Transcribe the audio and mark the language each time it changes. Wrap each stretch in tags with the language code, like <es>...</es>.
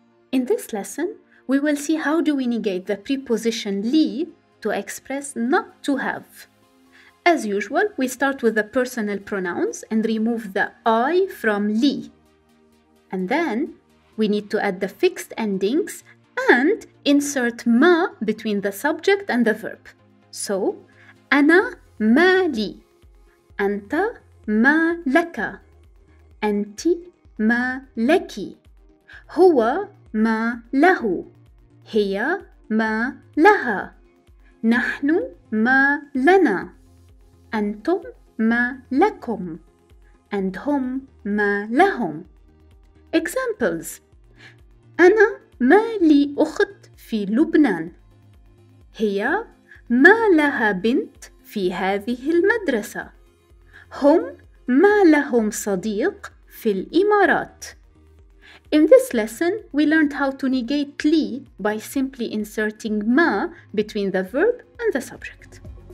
<en>In this lesson, we will see how do we negate the preposition li to express not to have. As usual, we start with the personal pronouns and remove the I from li. And then we need to add the fixed endings and insert ما between the subject and the verb.</en> <ar>So, أنا ما لي, أنت ما لك, أنت ما لك, هو ما له, هي ما لها, نحن ما لنا, أنتم ما لكم,</ar> <en>and</en> <ar>هم ما لهم.</ar> <en>Examples:</en> <ar>أنا ما لي أخت في لبنان. هي ما لها بنت في هذه المدرسة. هم ما لهم صديق في الإمارات.</ar> <en>In this lesson, we learned how to negate li by simply inserting ما between the verb and the subject.</en>